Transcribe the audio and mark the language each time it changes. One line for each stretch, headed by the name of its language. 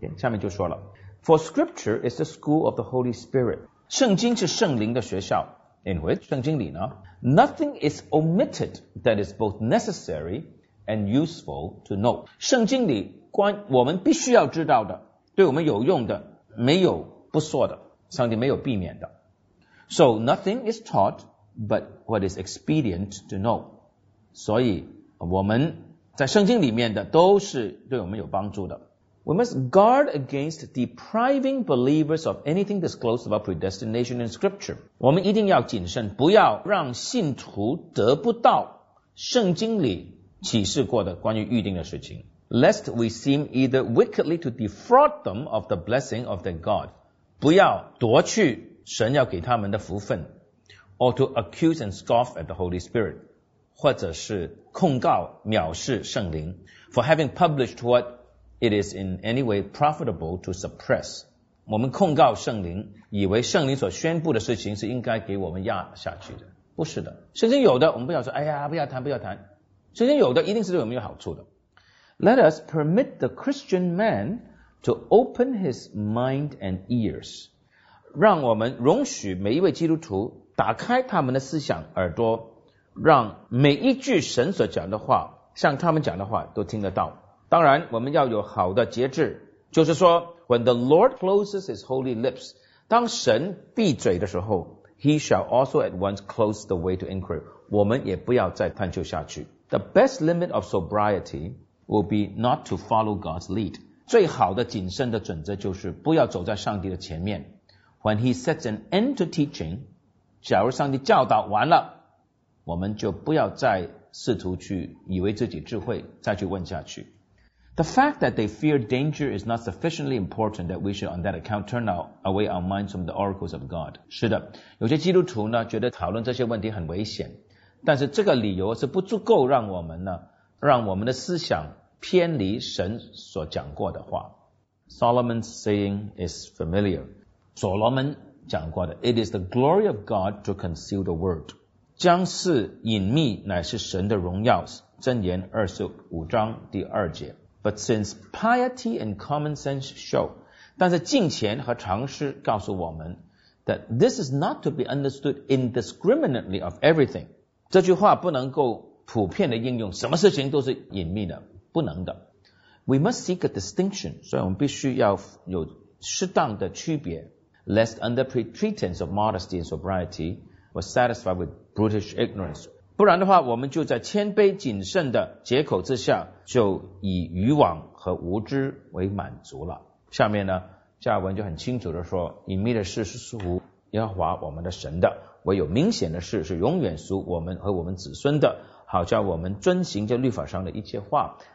Chinese: 下面就说了
English: ，For Scripture is the school of the Holy Spirit.
Chinese: 圣经是圣灵的学校。
English: In which
Chinese: 圣经里呢
English: ，Nothing is omitted that is both necessary and useful to know.
Chinese: 圣经里关我们必须要知道的，对我们有用的，没有不说的，上帝没有避免的。
English: So nothing is taught but what is expedient to know.
Chinese: 所以我们在圣经里面的都是对我们有帮助的。
English: We must guard against depriving believers of anything disclosed about predestination in Scripture.
Chinese: 我们一定要谨慎，不要让信徒得不到圣经里启示过的关于预定的事情。
English: Lest we seem either wickedly to defraud them of the blessing of their God.
Chinese: 不要夺去神要给他们的福分。
English: Or to accuse and scoff at the Holy Spirit.
Chinese: 或者是控告藐视圣灵
English: for having published what it is in any way profitable to suppress.
Chinese: 我们控告圣灵以为圣灵所宣布的事情是应该给我们压下去的。不是的。圣经有的我们不要说哎呀不要谈不要谈。圣经有的一定是对我们有好处的。
English: Let us permit the Christian man to open his mind and ears.
Chinese: 让我们容许每一位基督徒打开他们的思想耳朵让每一句神所讲的话像他们讲的话都听得到。当然我们要有好的节制。就是说
English: ,when the Lord closes his holy lips,
Chinese: 当神闭嘴的时候
English: ,he shall also at once close the way to inquiry.
Chinese: 我们也不要再探究下去。
English: The best limit of sobriety will be not to follow God's lead.
Chinese: 最好的谨慎的准则就是不要走在上帝的前面。
English: When he sets an end to teaching,
Chinese: 假如上帝教导完了我们就不要再试图去以为自己智慧再去问下去。
English: The fact that they fear danger is not sufficiently important that we should on that account turn away our minds from the oracles of God.
Chinese: 是的，有些基督徒呢觉得讨论这些问题很危险，但是这个理由是不足够让我们呢让我们的思想偏离神所讲过的话。
English: Solomon's saying is familiar.
Chinese: 所罗门讲过的
English: It is the glory of God to conceal the word.
Chinese: 将是隐秘乃是神的荣耀箴言25章第二节
English: But since piety and common sense show
Chinese: 但是敬虔和常识告诉我们
English: That this is not to be understood indiscriminately of everything
Chinese: 这句话不能够普遍的应用什么事情都是隐秘的不能的
English: We must seek a distinction
Chinese: 所以我们必须要有适当的区别
English: Lest under pretense of modesty and sobrietyWas satisfied with brutish ignorance.
Chinese: 不然的话，我们就在谦卑谨慎的借口之下，就以愚妄和无知为满足了。下面呢，加尔文就很清楚的说，隐秘的事是属乎耶和华我们的神的，唯有明显的事是永远属我们和我们子孙的，好叫我们遵行这律法上的一切话。